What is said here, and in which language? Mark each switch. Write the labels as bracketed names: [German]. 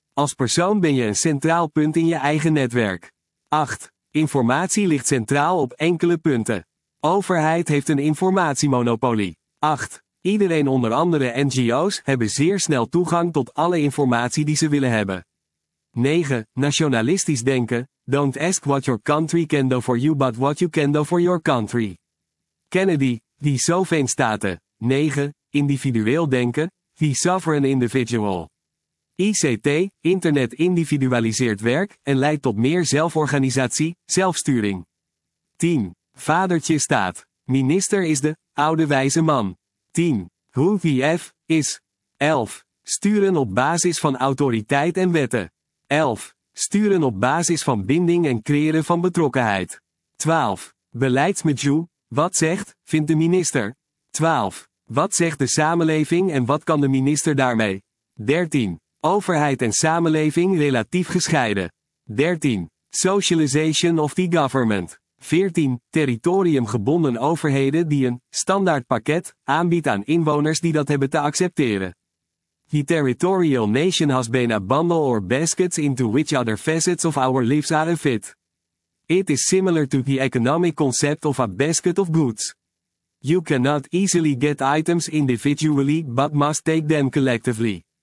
[Dutch] Als persoon ben je een centraal punt in je eigen netwerk. 8. Informatie ligt centraal op enkele punten. Overheid heeft een informatiemonopolie. 8. Iedereen onder andere NGO's hebben zeer snel toegang tot alle informatie die ze willen hebben. 9. Nationalistisch denken. [English] Don't ask what your country can do for you but what you can do for your country. [Dutch] Kennedy, die Sovjet Staten. 9. Individueel denken. [English] The sovereign individual. [Dutch] ICT, internet individualiseert werk en leidt tot meer zelforganisatie, zelfsturing. 10. Vadertje staat. Minister is de oude wijze man. 10. [English] Who the F is. 11. [Dutch] Sturen op basis van autoriteit en wetten. 11. Sturen op basis van binding en creëren van betrokkenheid. 12. Beleidsmajoe, wat zegt, vindt de minister? 12. Wat zegt de samenleving en wat kan de minister daarmee? 13. Overheid en samenleving relatief gescheiden. 13. [English] Socialization of the government. 14. [Dutch] Territoriumgebonden overheden die een standaard pakket aanbiedt aan inwoners die dat hebben te accepteren. [English] The territorial nation has been a bundle or baskets into which other facets of our lives are a fit. It is similar to the economic concept of a basket of goods. You cannot easily get items individually, but must take them collectively.